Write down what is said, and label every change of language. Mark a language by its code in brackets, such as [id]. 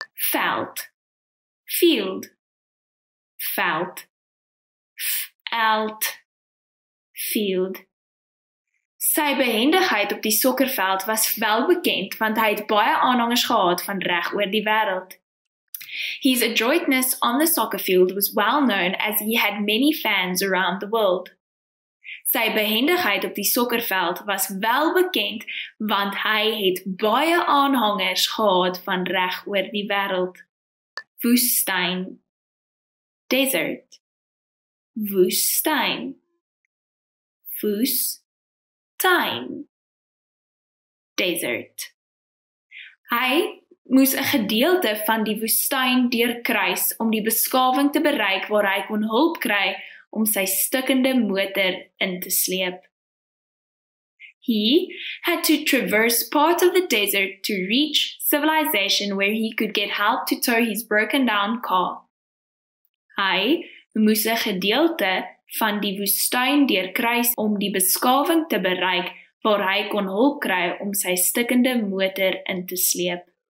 [af] Veld. Field. Veld. Veld. Field. Sy behendigheid op die sokkerveld was wel bekend, want hy het baie aanhangers gehad van reg oor die wêreld. [en] His adroitness on the soccer field was well known as he had many fans around the world. [af] Sy behendigheid op die sokkerveld was wel bekend, want hy het baie aanhangers gehad van reg oor die wêreld. Woestyn. Desert. Woestyn. Woestyn. Desert. Hy moes 'n gedeelte van die woestyn deurkruis om die beskawing te bereik waar hy kon hulp kry om sy stikkende motor in te sleep. [en] He had to traverse part of the desert to reach civilization where he could get help to tow his broken down car. [af] Hy moes 'n gedeelte van die woestyn deurkruis om die beskawing te bereik waar hy kon hulp kry om sy stikkende motor in te sleep.